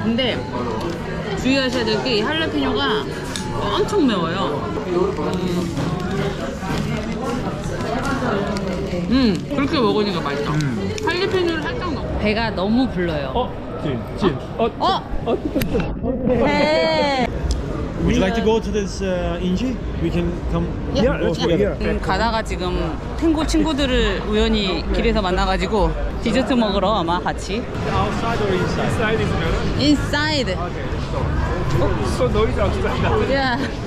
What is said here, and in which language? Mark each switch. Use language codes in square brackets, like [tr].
[ko] 근데 주의하셔야 될 게 이 할라피뇨가 엄청 매워요. 그렇게 먹으니까 맛있다. 할라피뇨를 살짝 넣고. 배가 너무 불러요. 찐, 찐. [en] Would you like to go to this İnci? We can come. Yeah, let's go. Yeah. [ko] 가다가 지금 탱고 친구들을 우연히 길에서 만나가지고 디저트 먹으러 아마 같이. [en] Outside or inside? Inside is better. Inside. Okay. So noise outside. Yeah.